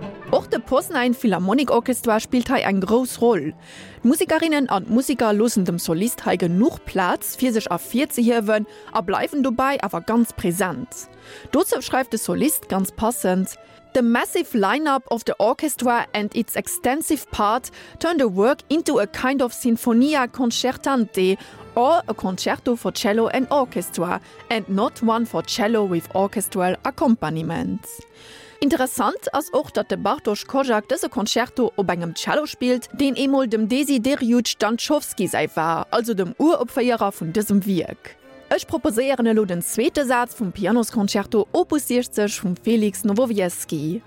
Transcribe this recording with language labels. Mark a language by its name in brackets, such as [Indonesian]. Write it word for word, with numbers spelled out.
[German] Auch der Poznań Philharmonikorchestra spielt hier eine große Rolle. Die Musikerinnen und Musiker lassen dem Solist hier genug Platz für sich auf vierzig hören und bleiben dabei aber ganz präsent. Dazu schreibt der Solist ganz passend: [English] The massive lineup of the orchestra and its extensive part turned the work into a kind of sinfonia concertante or a concerto for cello and orchestra and not one for cello with orchestral accompaniment. [German] Interessant ist auch, dass der Bartosz Koziak dieses Konzerto auf einem Cello spielt, den einmal dem Desideriusz Danczowski sei war, also dem Uropferer von diesem Werk. Ich proposiere noch den zweiten Satz vom Pianoskoncerto Opus sechzig von Felix Nowowiejski.